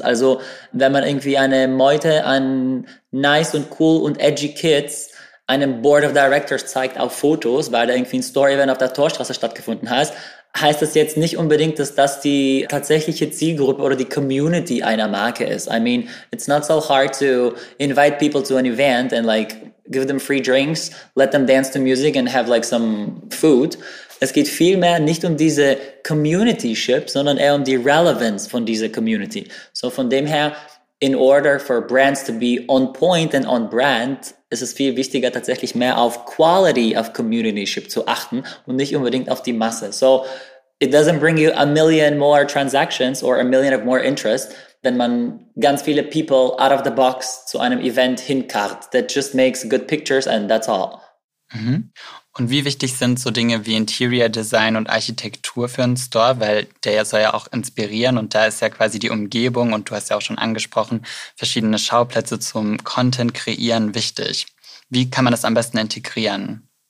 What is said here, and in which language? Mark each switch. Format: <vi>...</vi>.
<de>Also, wenn man irgendwie eine Meute an</de> <en>nice und cool und edgy Kids</en> <de>einem Board of Directors zeigt auf Fotos, weil da irgendwie ein Store-Event auf der Torstraße stattgefunden hat, heißt das jetzt nicht unbedingt, dass das die tatsächliche Zielgruppe oder die Community einer Marke ist.</de> <en>I mean, it's not so hard to invite people to an event and like give them free drinks, let them dance to music and have like some food.</en> <de>Es geht vielmehr nicht um diese Community-Ship, sondern eher um die Relevance von dieser Community. So von dem her,</de> <en>in order for brands to be on point and on brand,</en> <de>ist es viel wichtiger, tatsächlich mehr auf</de> <en>Quality of Community-Ship</en> <de>zu achten und nicht unbedingt auf die Masse.</de> <en>So it doesn't bring you a million more transactions or a million of more interest,</en> <de>wenn man ganz viele</de> <en>people out of the box</en> <de>zu einem Event hinkarrt.</de> <en>That just makes good pictures and that's all. Mhm.</en> <de>Und wie wichtig sind so Dinge wie Interior Design und Architektur für einen Store? Weil der soll ja auch inspirieren und da ist ja quasi die Umgebung und du hast ja auch schon angesprochen, verschiedene Schauplätze zum Content kreieren wichtig. Wie kann man das am besten integrieren?</de>